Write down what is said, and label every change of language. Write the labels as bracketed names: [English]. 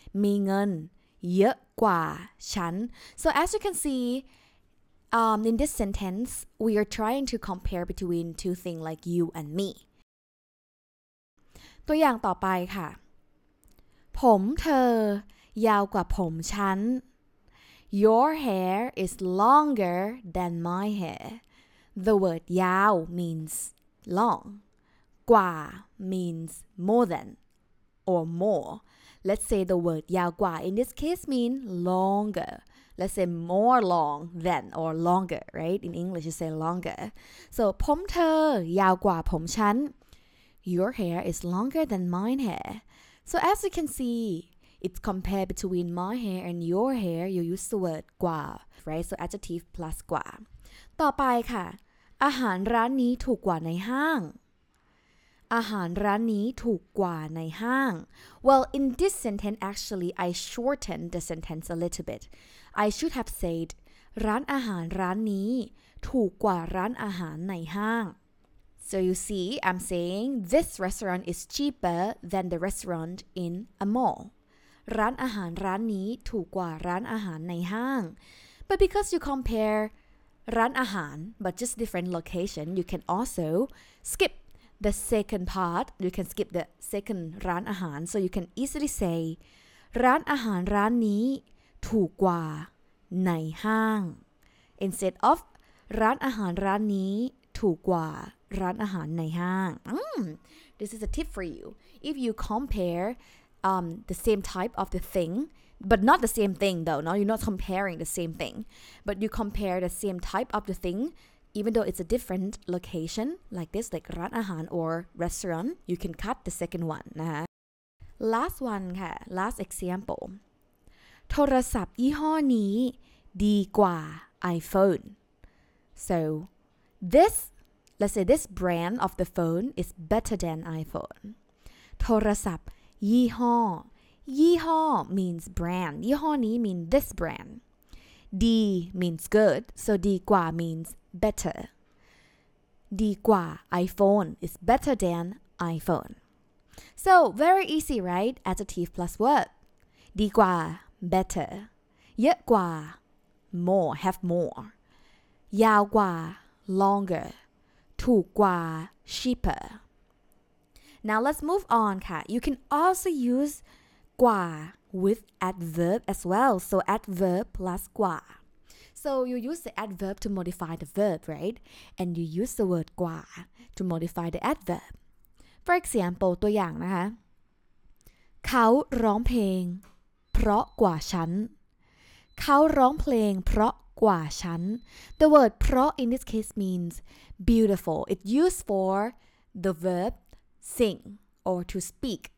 [Thai] มีเงินเยอะกว่าฉัน [English] so as you can see in this sentence we are trying to compare between two things like you and me [Thai] ตัวอย่างต่อไปค่ะผมเธอยาวกว่าผมฉัน [English] your hair is longer than my hair the word ยาว means long กว่า means more than or moreLet's say the word ยาวกว่า in this case mean longer. Let's say more long than or longer, right? In English you say longer. So [Thai] ผมเธอยาวกว่าผมฉัน [English] Your hair is longer than mine hair. So as you can see, it's compared between my hair and your hair. You use the word กว่า right? So adjective plus กว่า [Thai] ต่อไปค่ะอาหารร้านนี้ถูกกว่าในห้างอาหารร้านนี้ถูกกว่าในห้าง [English] Well, in this sentence, actually, I shortened the sentence a little bit. I should have said, [Thai] ร้านอาหารร้านนี้ถูกกว่าร้านอาหารในห้าง [English] So you see, I'm saying this restaurant is cheaper than the restaurant in a mall. [Thai] ร้านอาหารร้านนี้ถูกกว่าร้านอาหารในห้าง [English] But because you compare ร้านอาหาร but just different location, you can also skip the second part. You can skip the second ร้านอาหาร So you can easily say [Thai] ร้านอาหารร้านนี้ถูกกว่าในห้าง [English] Instead of [Thai] ร้านอาหารร้านนี้ถูกกว่าร้านอาหารในห้าง [English] This is a tip for you. If you comparethe same type of the thing, but not the same thing though, no? You're not comparing the same thing, but you compare the same type of the thing, even though it's a different location like this, like ร้านอาหาร or restaurant, you can cut the second one. [Thai] นะคะ [English] Last one ค่ะ last example. [Thai] โทรศัพท์ยี่ห้อนี้ดีกว่า iPhone. [English] So this, let's say this brand of the phone is better than iPhone. โทรศัพท์ยี่ห้อ ยี่ห้อ means brand. ยี่ห้อนี้ means this brand. ดี means good. So ดีกว่า means better. ดีกว่า iPhone is better than iPhone. So very easy, right? Adjective plus verb. ดีกว่า better. เยอะกว่า more, have more. ยาวกว่า longer. ถูกกว่า cheaper. Now let's move on, ค่ะ. You can also use กว่า with adverb as well. So adverb plus กว่า. So you use the adverb to modify the verb, right? And you use the word กว่า to modify the adverb. For example, [Thai] ตัวอย่างนะคะ. เขาร้องเพลงเพราะกว่าฉัน. เขาร้องเพลงเพราะกว่าฉัน. [English] The word เพราะ in this case means beautiful. It's used for the verbSing or to speak.